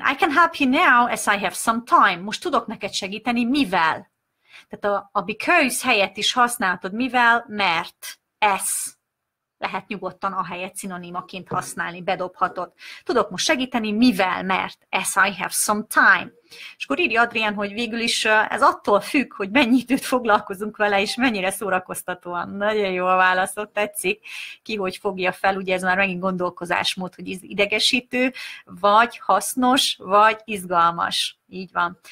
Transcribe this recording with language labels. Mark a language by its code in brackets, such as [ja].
[en] I can help you now as I have some time. [hu] Most tudok neked segíteni, mivel? Tehát a because helyett is használhatod, mivel, mert, ez. lehet nyugodtan a helyet szinonimaként használni, bedobhatod. Tudok most segíteni, mivel, mert, [en] as I have some time. [hu] És akkor írja Adrián, hogy végül is ez attól függ, hogy mennyi időt foglalkozunk vele, és mennyire szórakoztatóan. Nagyon jó a válaszot, tetszik. Ki hogy fogja fel, ugye ez már megint gondolkozásmód, hogy idegesítő, vagy hasznos, vagy izgalmas. Így van.